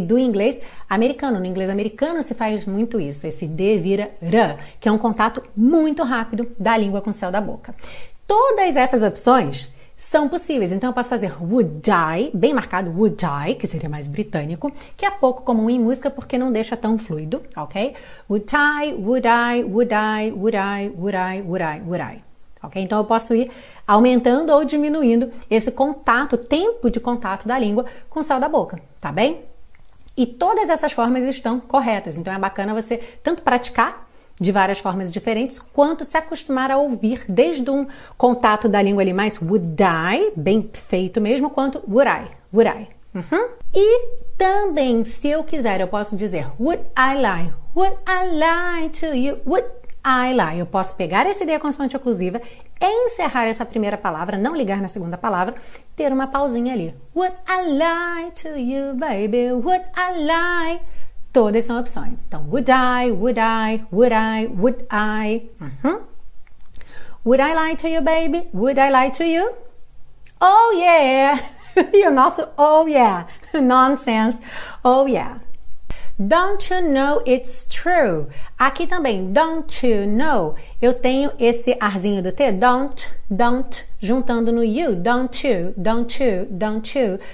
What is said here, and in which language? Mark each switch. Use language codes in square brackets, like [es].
[pt] Do inglês americano, no inglês americano se faz muito isso, esse D vira R, que é um contato muito rápido da língua com o céu da boca. Todas essas opções são possíveis, então eu posso fazer [en] would I, [pt] bem marcado would I, que seria mais britânico, que é pouco comum em música porque não deixa tão fluido, ok? [en] Would I, would I, would I, would I, would I, would I, would I, ok? [pt] Então eu posso ir aumentando ou diminuindo esse contato, tempo de contato da língua com o céu da boca, tá bem? E todas essas formas estão corretas, então é bacana você tanto praticar de várias formas diferentes, quanto se acostumar a ouvir desde um contato da língua ali mais [en] would I, [pt] bem feito mesmo, quanto would I, would I. Uhum. E também, se eu quiser, eu posso dizer [en] would I lie to you, would I lie. [pt] Eu posso pegar essa ideia consoante oclusiva, encerrar essa primeira palavra, não ligar na segunda palavra, ter uma pausinha ali. [en] Would I lie to you, baby, would I lie. [pt] Todas são opções. [en] Então, would I, would I, would I, would I. Uhum. Would I lie to you, baby? Would I lie to you? Oh, yeah! [pt] E o nosso [en] oh, yeah. Nonsense. Oh, yeah. Don't you know it's true? [pt] Aqui também, [en] don't you know? [pt] Eu tenho esse arzinho do T, don't, juntando no you. [en] Don't you, don't you, don't you.